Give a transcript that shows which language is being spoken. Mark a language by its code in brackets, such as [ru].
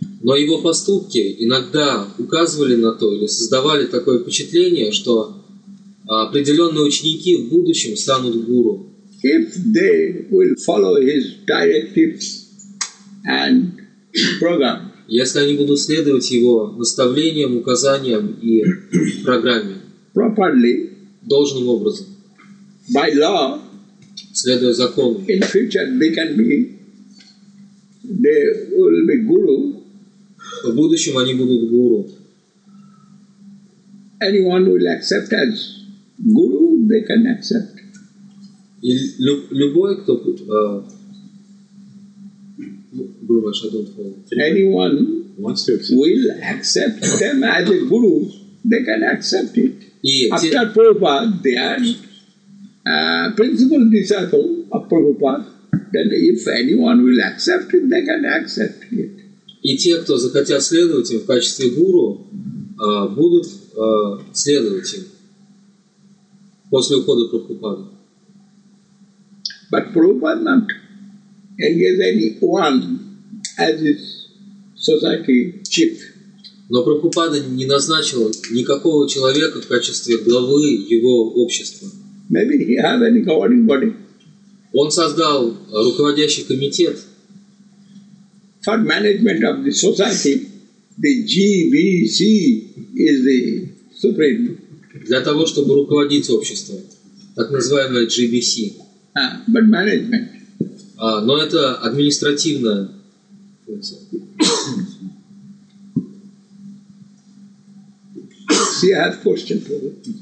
[ru] Но его поступки иногда указывали на то или создавали такое впечатление, что определенные ученики в будущем станут гуру. [en] If they will follow his directives and program. [ru] Если они будут следовать его наставлениям, указаниям и программе. [en] Properly. [ru] Должным образом. [en] By law. [ru] Следуя закону. [en] In future they can be. They will be guru. [ru] В будущем они будут гуру. [en] Anyone will accept as guru, they can accept. [ru] И любой, кто [en] Guru Vaishnava, don't follow. Anyone wants to accept will accept them as a guru, they can accept it. Yes. After Prabhupada, they are principal disciple of Prabhupada. Then if anyone will accept it, they can accept it. [ru] И те, кто захотят следовать им в качестве гуру, будут следовать им после ухода Прабхупады. [en] But Prabhupada not engage anyone as his society chief. [ru] Но Прабхупада не назначил никакого человека в качестве главы его общества. [en] Maybe he has any governing body. [ru] Он создал руководящий комитет. [en] For management of the society, the GVC is the supreme. [ru] Для того, чтобы руководить обществом, так называемое GVC. [en] But management. [ru] Но это административная функция. [en] See, I have a question for you.